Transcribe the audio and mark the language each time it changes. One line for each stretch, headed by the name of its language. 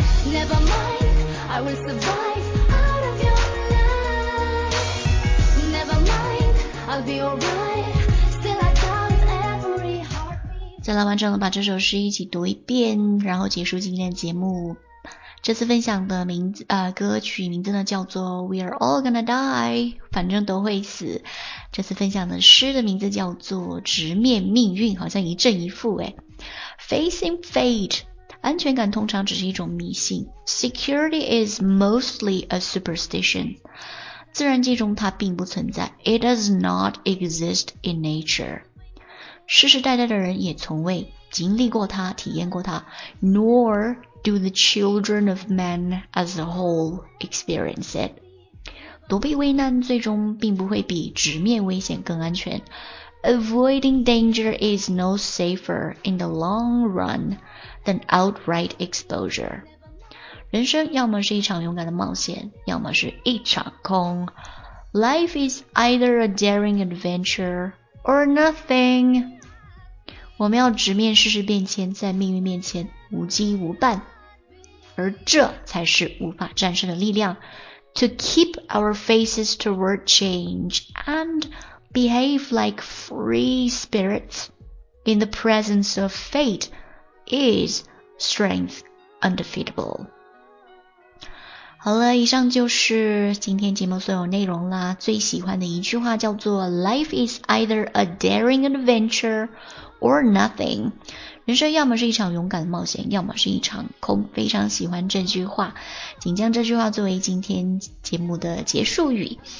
English: Never mind, I will survive out of your life. Never mind, I'll be alright. Still I count every heartbeat.
Chinese: 再来完整的把这首诗一起读一遍，然后结束今天的节目。这次分享的名字歌曲名字呢叫做
English: We are all gonna die,
Chinese: 反正都会死。这次分享的诗的名字叫做直面命运，好像一正一负诶。
English: Facing fate.
Chinese: 安全感通常只是一种迷信。
English: Security is mostly a superstition.
Chinese: 自然界中它并不存在。
English: It does not exist in nature.
Chinese: 世世代代的人也从未经历过它，体验过它。
English: Nor do the children of men as a whole experience it.
Chinese: 躲避危难最终并不会比直面危险更安全。
English: Avoiding danger is no safer in the long run. than outright exposure.
Chinese: 人生要么是一场勇敢的冒险，要么是一场空。
English: Life is either a daring adventure or nothing.
Chinese: 我们要直面世事变迁，在命运面前无羁无伴，而这才是无法战胜的力量。
English: To keep our faces toward change and behave like free spirits in the presence of fate. Is strength undefeatable.
Chinese: 好了，以上就是今天节目所有内容啦。最喜欢的一句话叫做
English: Life is either a daring adventure or nothing.
Chinese: 人生要么是一场勇敢的冒险，要么是一场空。非常喜欢这句话，请将这句话作为今天节目的结束语。